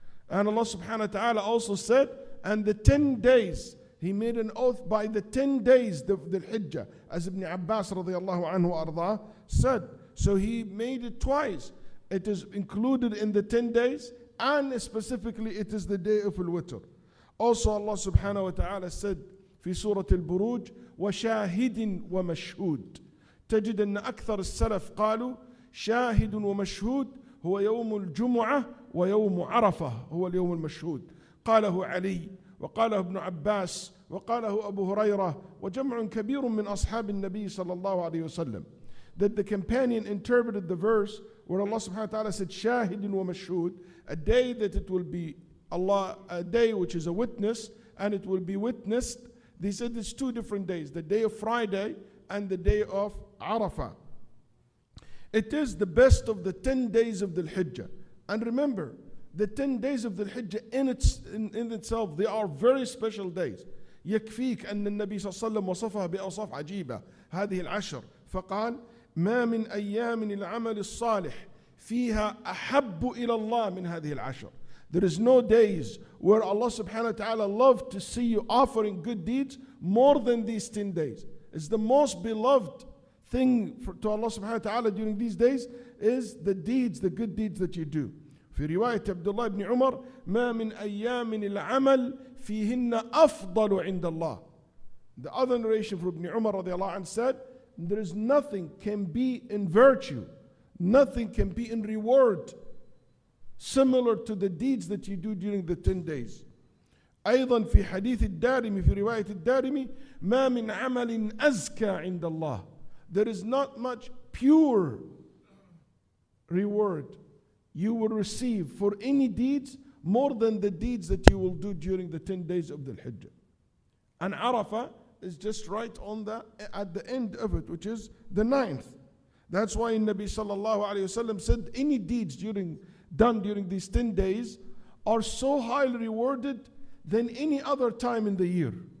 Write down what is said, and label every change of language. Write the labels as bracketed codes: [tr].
[en] And Allah subhanahu wa ta'ala also said, and the 10 days, He made an oath by the 10 days of the Hijjah, as Ibn Abbas radiallahu anhu arda said. So He made it twice. It is included in the 10 days, and specifically it is the day of Al-Witr. Also Allah subhanahu wa ta'ala said, [ar] في سورة البروج وشاهد ومشهود تجد أن أكثر السلف قالوا شاهد ومشهود هو يوم الجمعة ويوم عرفة هو اليوم المشهود. قاله علي وقاله ابن عباس وقاله أبو هريرة وجمع كبير من أصحاب النبي صلى الله عليه وسلم. [en] That the companion interpreted the verse where Allah subhanahu wa ta'ala said [ar] شاهد ومشهود, [en] a day that it will be Allah, a day which is a witness and it will be witnessed. They said it's two different days, the day of Friday and the day of Arafah. It is the best of the 10 days of the Hijjah. And remember, the 10 days of the Hijjah in itself, they are very special days. [ar] يكفيك أن النبي صلى الله عليه وسلم وصفها بأوصاف عجيبة هذه العشر. فقال ما من أيام العمل الصالح فيها أحب إلى الله من هذه العشر. [en] There is no days where Allah subhanahu wa ta'ala loved to see you offering good deeds more than these 10 days. It's the most beloved thing to Allah subhanahu wa ta'ala during these days is the deeds, the good deeds that you do. [ar] في رواية عبد الله بن عمر ما من أيام العمل فيهن أفضل عند الله. [en] The other narration from Ibn Umar رضي الله عنه said, there is nothing can be in virtue, nothing can be in reward similar to the deeds that you do during the 10 days. [ar] أيضا في حديث الدارمي في رواية الدارمي ما من عمل أزكى عند الله. [en] There is not much pure reward you will receive for any deeds more than the deeds that you will do during the 10 days of the Hijjah. And Arafah is just right on the at the end of it, which is the 9th. That's why Nabi sallallahu alayhi wa sallam said any deeds done during these 10 days are so highly rewarded than any other time in the year.